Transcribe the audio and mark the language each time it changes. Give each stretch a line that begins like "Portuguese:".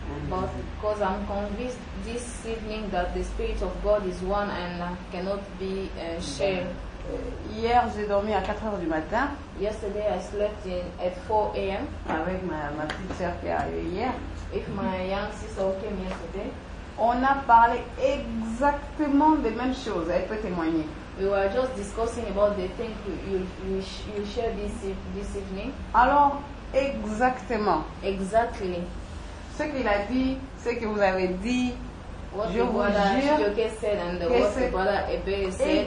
English: But because I'm convinced this evening that the Spirit of God is one and cannot be shared.
French: Hier, j'ai dormi à 4 heures du matin.
English: Yesterday, I slept at 4 a.m.
French: Avec ma petite sœur qui est arrivée hier.
English: If my young sister came yesterday.
French: On a parlé exactement des mêmes choses. Elle peut témoigner.
English: We were just discussing about the things you shared this evening.
French: Alors, exactement.
English: Exactly.
French: Ce qu'il a dit, ce que vous avez dit,
English: what
French: je vous jure,
English: Joke said and the what the brother Ebe said,